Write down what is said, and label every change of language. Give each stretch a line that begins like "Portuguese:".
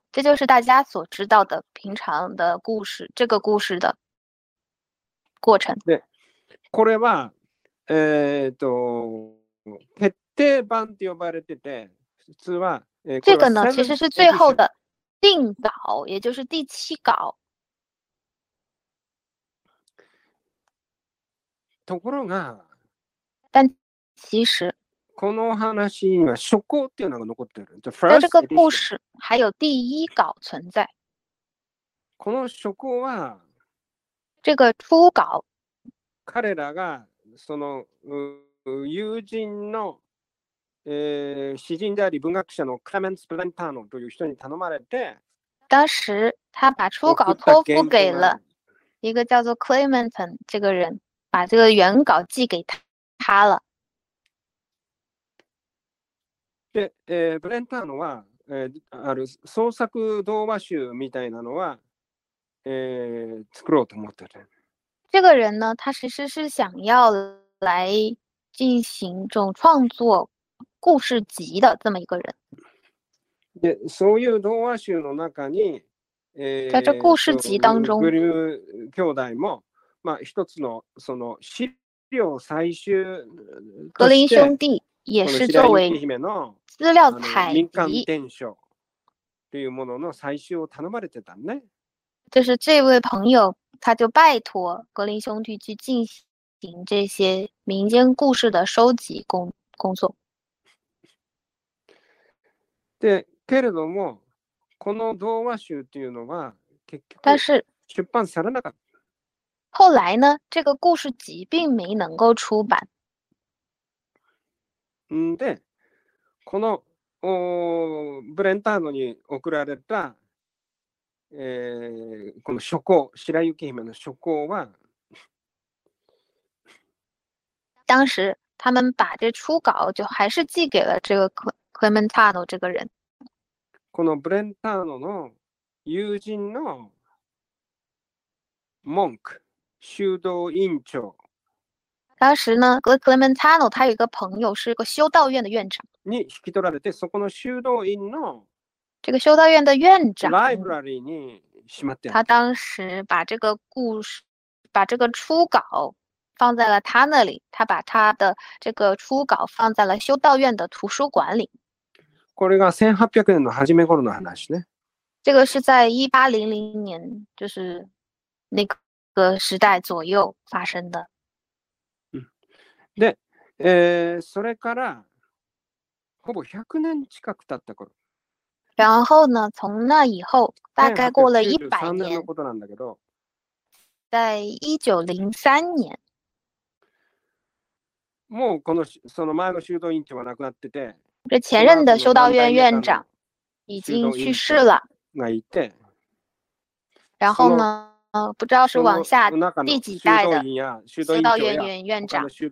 Chinese: 这就是大家所知道的平常的故事，这个故事的过程。
Japanese: 对，これは決定版と呼ばれてて、普通は
Chinese: 这个呢其实是最后的定稿，也就是第七稿。
Japanese: ところが、
Chinese: 但其实。
Japanese: この話には初稿っていうのが残ってる。
Chinese: 在这个故事还有第一稿存在。
Japanese: この初稿は、
Chinese: 这个初稿、
Japanese: 彼らがその友人の詩人であり文学者のクレメンツ・プランターノという人に頼まれて、
Chinese: 当时他把初稿托付给了一个叫做 Clementon 这个人，把这个原稿寄给他了。
Japanese: で、ブレンターノは、ある創作童話集みたいなのは、作ろうと思ってる。
Chinese: 这个人呢，他其实是想要来进行这种创作故事集的这么一个人。
Japanese: で、そういう童話集の中に、
Chinese: 在这故事集当中，
Japanese: グリム兄弟も、まあ、一つのその資料採集、
Chinese: 格林兄弟也是作为资料采集、
Japanese: 民間伝承というものの採集を頼まれてたね。
Chinese: 就是这位朋友，他就拜托格林兄弟去进行这些民间故事的收集工作。
Japanese: で、けれどもこの童話集というのは結局出版されなかった。
Chinese: 后来呢，这个故事集并没能够出版。
Japanese: んで、このブレンターノに送られた、この書稿、白雪姫の書稿は、
Chinese: 当时他们把这初稿就还是寄给了这个克雷门塔诺这个人。
Japanese: このブレンターノの友人のモンク修道院長。
Chinese: 当时呢，克雷门塔诺他有一个朋友是个修道院的院长。
Japanese: に引き取られて、そこの修道院の
Chinese: 这个修道院的院长。
Japanese: ライブラリーにしまってある。
Chinese: 他当时把这个故事，把这个初稿放在了他那里，他把他的这个初稿放在了修道院的图书馆里。
Japanese: これが1800年の初め頃の話ね。
Chinese: 这个是在1800年，就是那个时代左右发生的。
Japanese: で、それからほぼ100年近く経った頃。
Chinese: 然后呢，从那以后，大概过了100年。
Japanese: 1893年のことなんだけど。
Chinese: 在1903年。
Japanese: もうこのその前の修道院長は亡くなってて。
Chinese: 这前任的修道院院长已经去世了。然后呢，不知道是往下第几代的修道院院长。